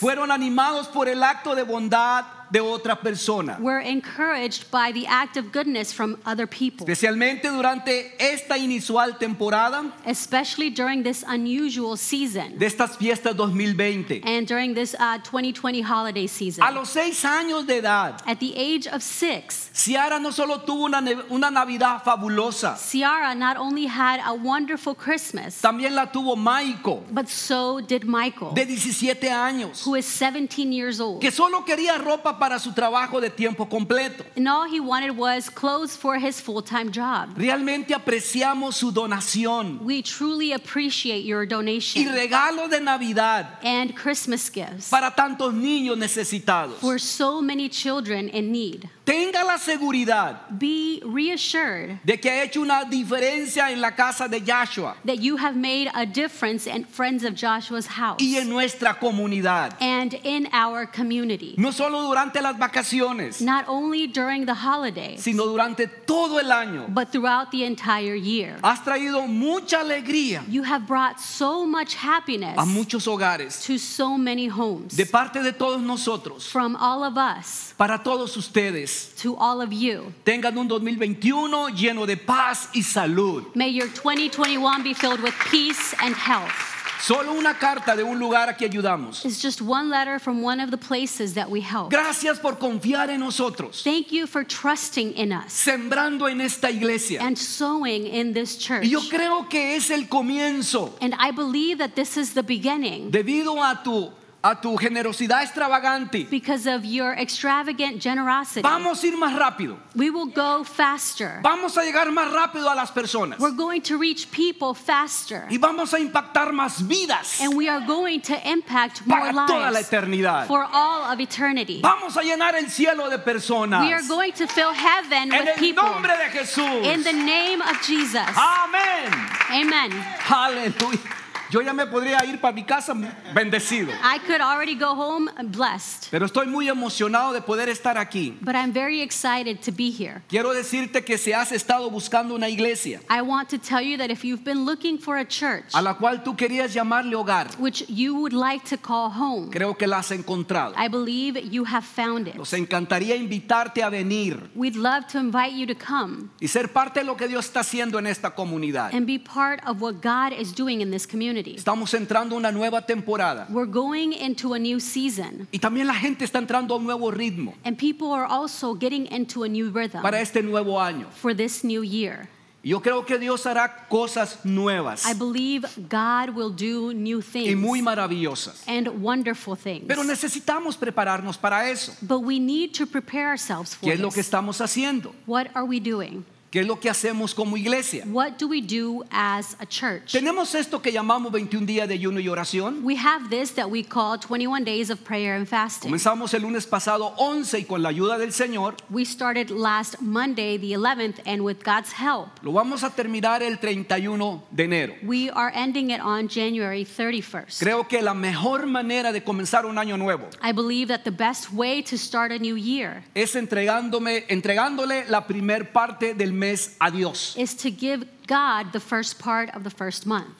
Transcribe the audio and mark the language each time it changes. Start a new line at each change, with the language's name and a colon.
Spanish: Fueron animados por el acto de bondad de otra persona.
English: We're encouraged by the act of goodness from other people.
Spanish: Especialmente durante esta inusual temporada.
English: Especially during this unusual season.
Spanish: De estas fiestas 2020.
English: And during this 2020 holiday season.
Spanish: A los 6 años de edad.
English: At the age of 6.
Spanish: Ciara no solo tuvo una Navidad fabulosa.
English: Ciara not only had a wonderful Christmas.
Spanish: También la tuvo Michael.
English: But so did Michael.
Spanish: De 17 años.
English: Who is 17 years old.
Spanish: Que solo quería ropa para su trabajo de tiempo completo.
English: And all he wanted was clothes for his full-time job.
Spanish: Realmente apreciamos su donación.
English: We truly appreciate your donation.
Spanish: Y regalo de Navidad.
English: And Christmas gifts.
Spanish: Para tantos niños necesitados.
English: For so many children in need.
Spanish: Tenga la seguridad.
English: Be reassured.
Spanish: De que ha hecho una diferencia en la casa de Joshua.
English: That you have made a difference in Friends of Joshua's house.
Spanish: Y en nuestra comunidad.
English: And in our community.
Spanish: No solo durante las vacaciones.
English: Not only during the holidays.
Spanish: Sino durante todo el año.
English: But throughout the entire year.
Spanish: Has traído mucha alegría.
English: You have brought so much happiness.
Spanish: A muchos hogares.
English: To so many homes.
Spanish: De parte de todos nosotros.
English: From all of us.
Spanish: Para todos ustedes.
English: To all of you.
Spanish: Tengan un 2021 lleno de paz y salud.
English: May your 2021 be filled with peace and health.
Spanish: Solo una carta de un lugar a que ayudamos.
English: It's just one letter from one of the places that we help.
Spanish: Gracias por confiar en nosotros.
English: Thank you for trusting in us.
Spanish: Sembrando en esta iglesia.
English: And sowing in this church.
Spanish: Y yo creo que es el comienzo.
English: And I believe that this is the beginning.
Spanish: Debido a tu generosidad extravagante.
English: Because of your extravagant generosity.
Spanish: Vamos a ir más rápido.
English: We will go faster.
Spanish: Vamos a llegar más rápido a las personas.
English: We're going to reach people faster.
Spanish: Y vamos a impactar más vidas.
English: And we are going to impact more lives.
Spanish: Para toda la eternidad.
English: For all of eternity.
Spanish: Vamos a llenar el cielo de personas.
English: We are going to fill heaven
Spanish: en
English: with people.
Spanish: En el nombre de Jesús.
English: In the name of Jesus.
Spanish: Amén.
English: Amen.
Spanish: Aleluya. Yo ya me podría ir para mi casa bendecido.
English: I could already go home blessed.
Spanish: Pero estoy muy emocionado de poder estar aquí.
English: But I'm very excited to be here.
Spanish: Quiero decirte que si has estado buscando una iglesia,
English: I want to tell you that if you've been looking for a church,
Spanish: a la cual tú querías llamarle hogar,
English: which you would like to call home,
Spanish: creo que la has encontrado.
English: I believe you have found it.
Spanish: Nos encantaría invitarte a venir.
English: We'd love to invite you to come.
Spanish: Y ser parte de lo que Dios está haciendo en esta comunidad.
English: And be part of what God is doing in this community.
Spanish: Estamos entrando una nueva temporada.
English: We're going into a new season.
Spanish: Y también la gente está entrando a un nuevo ritmo.
English: And people are also getting into a new rhythm.
Spanish: Para este nuevo año.
English: For this new year.
Spanish: Yo creo que Dios hará cosas nuevas.
English: I believe God will do new things.
Spanish: Y muy maravillosas.
English: And wonderful things.
Spanish: Pero necesitamos prepararnos para eso.
English: But we need to prepare ourselves for this.
Spanish: ¿Qué es lo que estamos haciendo?
English: What are we doing?
Spanish: ¿Qué es lo que hacemos como iglesia?
English: What do we do as a church?
Spanish: ¿Tenemos esto que llamamos 21 días de ayuno y oración?
English: We have this that we call 21 days of prayer and fasting.
Spanish: Comenzamos el lunes pasado 11 y con la ayuda del Señor.
English: We started last Monday the 11th and with God's help.
Spanish: Lo vamos a terminar el 31 de enero.
English: We are ending it on January 31st.
Spanish: Creo que la mejor manera de comenzar un año nuevo,
English: I believe that the best way to start a new year,
Spanish: es entregándole la primer parte del mes a Dios.
English: Is to give God the first part of the first month.